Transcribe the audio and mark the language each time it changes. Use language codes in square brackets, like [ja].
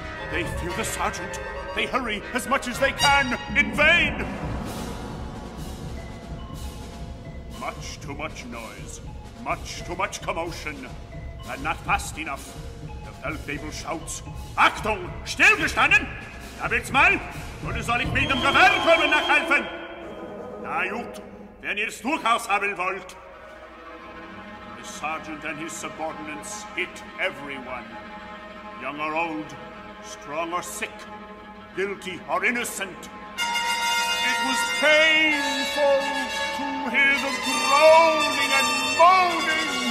[en] They fear the sergeant. They hurry as much as they can, in vain. Much too much noise, much too much commotion, and not fast enough. The Feldwebel shouts, [de] Achtung, stillgestanden! Damit's mal, oder soll ich mit dem Gewehr kommen nachhelfen? Na gut, wenn ihr's durchaus haben wollt. [en] The sergeant and his subordinates hit everyone. Young or old, strong or sick, guilty or innocent. It was painful to hear them groaning and moaning.